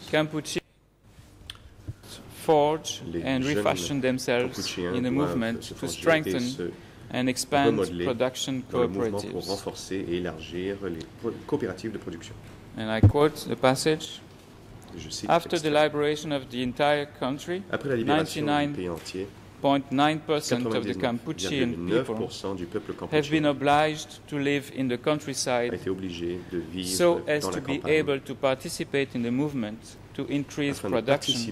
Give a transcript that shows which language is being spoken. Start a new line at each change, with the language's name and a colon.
English: Campuchi forge and refashion themselves in a movement to strengthen and expand production cooperatives.
French: Pour renforcer et élargir les coopératives de production.
English: And I quote the passage. After the liberation of the entire country, 99.9% of the Campuchian people have been obliged to live in the countryside so as to be able to participate in the movement to increase production,